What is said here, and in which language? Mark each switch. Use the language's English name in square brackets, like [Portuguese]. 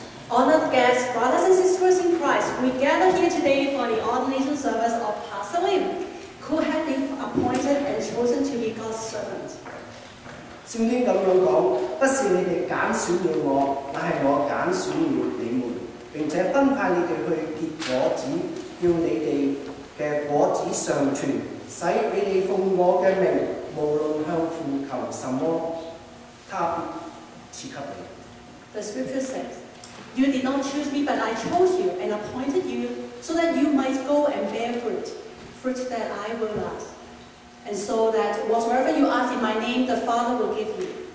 [English] Honored guests, brothers and sisters in Christ, we gather here today for the ordination service of Pastor Lim, who had been appointed and chosen to be God's servant. [Cantonese] 圣经这样讲，不是你们拣选了我，乃系我拣选了你们，并且分派你们去结果子，叫你们嘅果子上存，使你哋奉我嘅名，无论向父求什么，他必赐给你。 [English] The scripture says, You did not choose me, but I chose you and appointed you so that you might go and bear fruit, fruit that I will not. And so that whatsoever you ask in my name, the Father will give you.